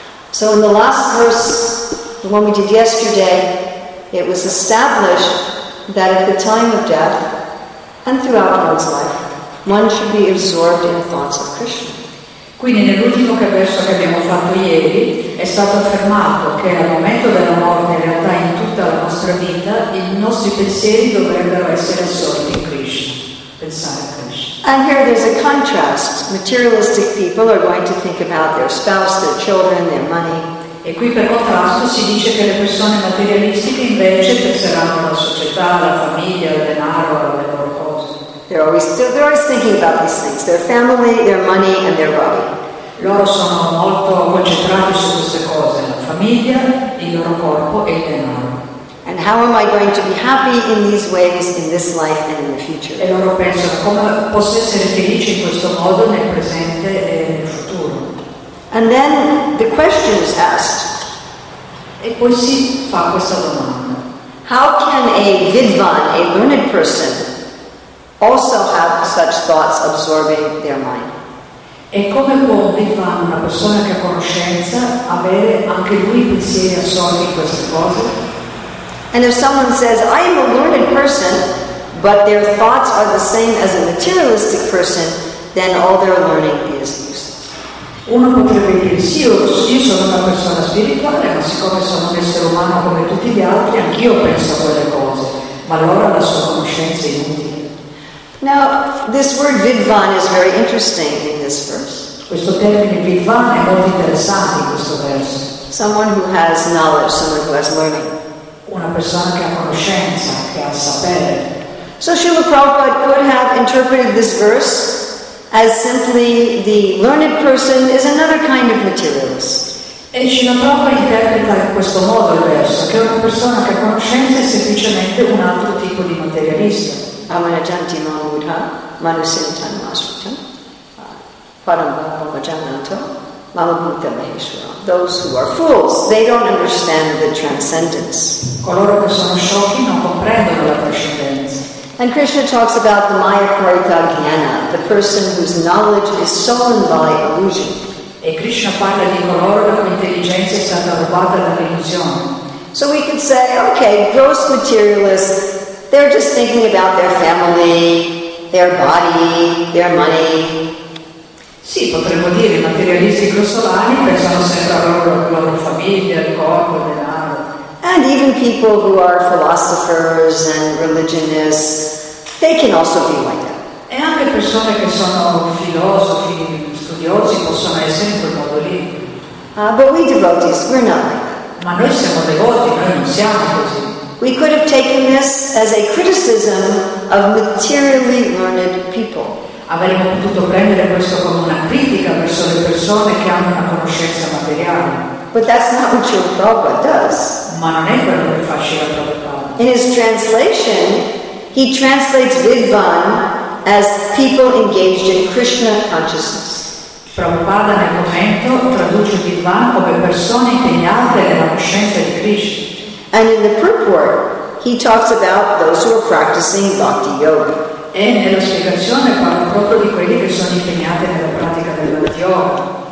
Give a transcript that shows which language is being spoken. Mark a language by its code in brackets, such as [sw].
[en] So in the last verse, the one we did yesterday, it was established that at the time of death and throughout one's life, one should be absorbed in the thoughts of Krishna. [it] Quindi nell'ultimo verso che abbiamo fatto ieri è stato affermato che al momento della morte, in realtà in tutta la nostra vita, i nostri pensieri dovrebbero essere assorti in Krishna, pensare a Krishna. [en] And here there's a contrast. Materialistic people are going to think about their spouse, their children, their money. [it] E qui per contrasto si dice che le persone materialistiche invece penseranno alla società, alla famiglia, al denaro, alle loro cose. [en] They're always thinking about these things, their family, their money and their body. [it] Loro sono molto concentrati su queste cose, la famiglia, il loro corpo e il denaro. [en] And how am I going to be happy in these ways in this life and in the future? [it] E loro pensano come posso essere felice in questo modo nel presente e nel futuro. [en] And then the question is asked. [it] E poi si fa questa domanda. [en] How can a vidvan, a learned person, also have such thoughts absorbing their mind. [it] E come può Bhagavan, una persona che ha conoscenza, avere anche lui pensieri assorti in queste cose? [en] And if someone says, I am a learned person, but their thoughts are the same as a materialistic person, then all their learning is useless. [it] Uno potrebbe dire, sì, io sono una persona spirituale, ma siccome sono un essere umano come tutti gli altri, anch'io penso a quelle cose, ma allora la sua conoscenza è inutile. [en] Now, this word Vidvan is very interesting in this verse. [it] Questo termine Vidvan è molto interessante in questo verso. [en] Someone who has knowledge, someone who has learning. [it] Una persona che ha conoscenza, che ha sapere. [en] So Srila Prabhupada could have interpreted this verse as simply the learned person is another kind of materialist. [it] E Srila Prabhupada interpreta in questo modo il verso, che una persona che ha conoscenza è semplicemente un altro tipo di materialista. [sa] Amanajanti Mahamudha, Manusintan Masrita, Parambhavajananto, Mamabhutta Maheshwara. [en] Those who are fools, they don't understand the transcendence. [it] Coloro che sono sciocchi non comprendono la trascendenza. [en] And Krishna talks about the Mayaparita Jnana, the person whose knowledge is stolen by illusion. [it] E Krishna parla di coloro la cui intelligenza è stata rubata dall'illusione. [en] So we can say, okay, gross materialists, they're just thinking about their family, their body, their money. [it] Sì, potremmo dire, i materialisti grossolani pensano sempre alla loro famiglia, al corpo, al denaro. [en] And even people who are philosophers and religionists, they can also be like that. [it] E anche persone che sono filosofi, studiosi, possono essere in quel modo lì. [en] But we devotees, we're not. [it] Ma noi siamo devoti, noi non siamo così. [en] We could have taken this as a criticism of materially learned people. [it] Avremmo potuto prendere questo come una critica verso le persone che hanno una conoscenza materiale. [en] But that's not what Srila Prabhupada does. [it] Ma non è quello che fa Srila Prabhupada. [en] In his translation, he translates Vidvan as people engaged in Krishna consciousness. [it] Prabhupada nel commento traduce Vidvan come persone impegnate nella coscienza di Krishna. [en] And in the purport, he talks about those who are practicing bhakti yoga. [it] E nella spiegazione parla proprio di quelli che sono impegnati nella pratica del bhakti yoga.